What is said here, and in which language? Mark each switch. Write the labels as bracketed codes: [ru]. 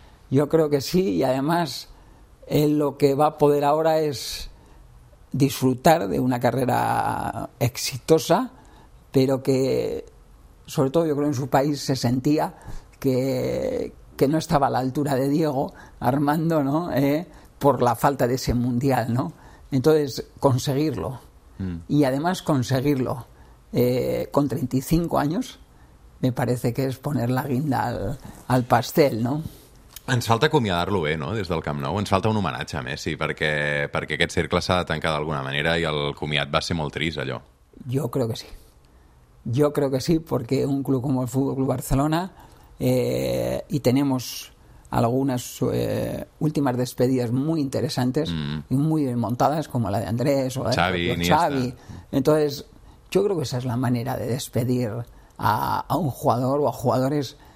[es] Yo creo que sí, y además él lo que va a poder ahora es disfrutar de una carrera exitosa, pero que, sobre todo yo creo en su país, se sentía que no estaba a la altura de Diego Armando, ¿no?, por la falta de ese Mundial, ¿no? Entonces, conseguirlo, y además conseguirlo con 35 años, me parece que es poner la guinda al pastel, ¿no? [ca] Ens falta acomiadar-lo bé, no?, des del Camp Nou. Ens falta un homenatge a Messi, perquè aquest cercle s'ha de tancar d'alguna manera i el comiat va ser molt trist, allò. [es] Yo creo que sí, porque un club como el Fútbol Club Barcelona, y tenemos algunas últimas despedidas muy interesantes y muy bien montadas, como la de Andrés o la de Xavi. Entonces, yo creo que esa es la manera de despedir a un jugador o a jugadores